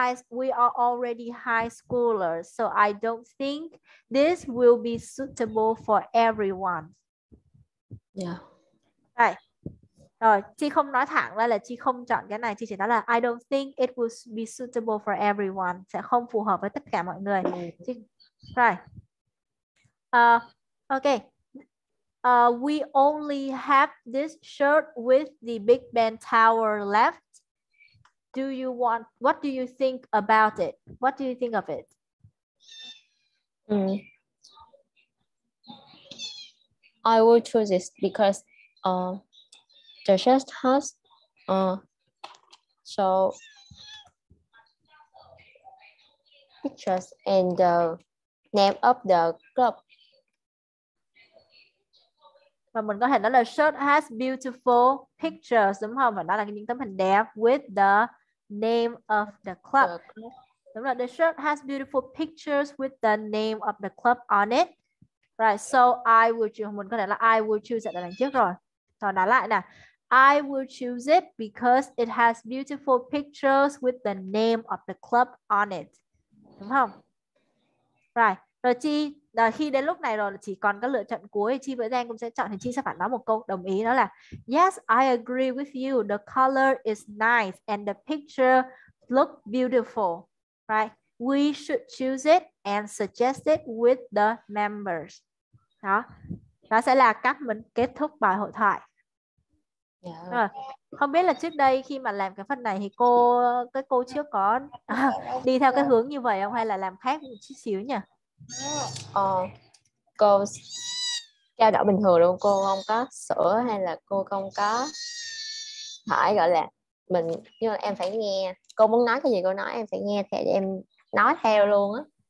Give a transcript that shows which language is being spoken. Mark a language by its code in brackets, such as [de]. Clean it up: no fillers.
[en] We are already high schoolers, so I don't think this will be suitable for everyone. Yeah. Right. [vi] Rồi, chị không nói thẳng là chị không chọn cái này, chị chỉ nói là [en] I don't think it will be suitable for everyone. [vi] Sẽ không phù hợp với tất cả mọi người. [en] Right. We only have this shirt with the Big Ben Tower left. What do you think about it? What do you think of it? I will choose this because the shirt has So pictures and the name of the club. [vi] Và mình có thể nói là [en] shirt has beautiful pictures, [vi] đúng không? Và đó là những tấm hình đẹp [en] with the name of the club. [vi] Đúng rồi, [en] the shirt has beautiful pictures with the name of the club on it. Right, so I will choose, [vi] mình có thể là [en] I will choose it [vi] là lần trước rồi. Rồi nói lại nè. [en] I will choose it because it has beautiful pictures with the name of the club on it. [vi] Đúng không? Right, rồi chị, khi đến lúc này rồi chỉ còn các lựa chọn cuối, chị với Giang cũng sẽ chọn, thì chị sẽ phải nói một câu đồng ý, đó là [en] yes, I agree with you, the color is nice and the picture look beautiful. Right, we should choose it and suggest it with the members. [vi] Đó, đó sẽ là cách mình kết thúc bài hội thoại. [en] Yeah. [vi] À, không biết là trước đây khi mà làm cái phần này thì cô trước có đi theo cái hướng như vậy không, hay là làm khác một chút xíu nhỉ? Cô trao đổi bình thường luôn, cô không có sửa hay là cô không có phải gọi là mình, nhưng mà em phải nghe cô muốn nói cái gì cô nói, em phải nghe thì em nói theo luôn á.